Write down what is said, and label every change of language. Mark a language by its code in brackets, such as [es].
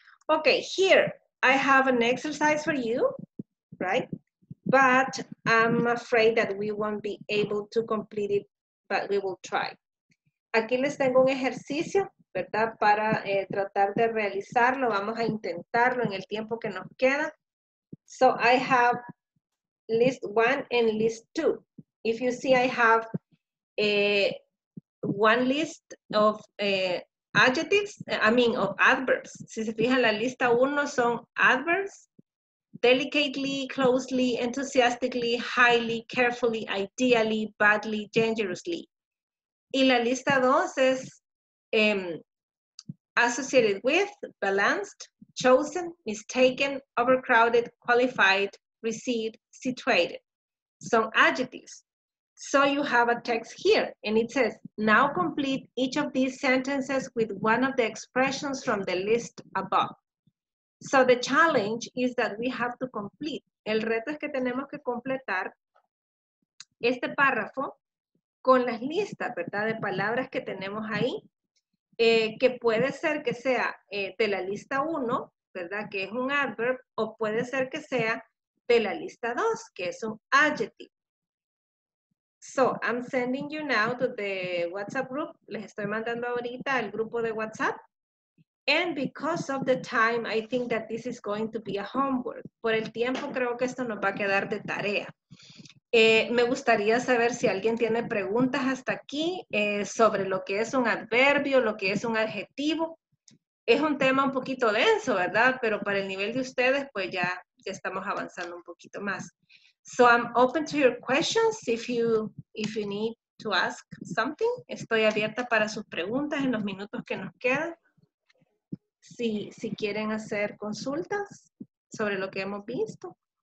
[en] Okay, here I have an exercise for you, right? But I'm afraid that we won't be able to complete it, but we will try. [es] Aquí les tengo un ejercicio, ¿verdad? Para tratar de realizarlo. Vamos a intentarlo en el tiempo que nos queda. [en] So I have list one and list two. If you see, I have one list of adjectives, I mean of adverbs. [es] Si se fijan, la lista uno son adverbs. Delicately, closely, enthusiastically, highly, carefully, ideally, badly, dangerously. Y la lista dos es associated with, balanced, chosen, mistaken, overcrowded, qualified, received, situated. [en] Some adjectives. So you have a text here and it says, now complete each of these sentences with one of the expressions from the list above. So the challenge is that we have to complete. [es] El reto es que tenemos que completar este párrafo con las listas, ¿verdad? De palabras que tenemos ahí, que puede ser que sea de la lista 1, ¿verdad? Que es un adverb, o puede ser que sea de la lista 2, que es un adjective. [en] So I'm sending you now to the WhatsApp group. [es] Les estoy mandando ahorita al grupo de WhatsApp. [en] And because of the time, I think that this is going to be a homework. [es] Por el tiempo, creo que esto nos va a quedar de tarea. Me gustaría saber si alguien tiene preguntas hasta aquí sobre lo que es un adverbio, lo que es un adjetivo. Es un tema un poquito denso, ¿verdad? Pero para el nivel de ustedes, pues ya estamos avanzando un poquito más. [en] So I'm open to your questions if you need to ask something. [es] Estoy abierta para sus preguntas en los minutos que nos quedan. Si quieren hacer consultas sobre lo que hemos visto.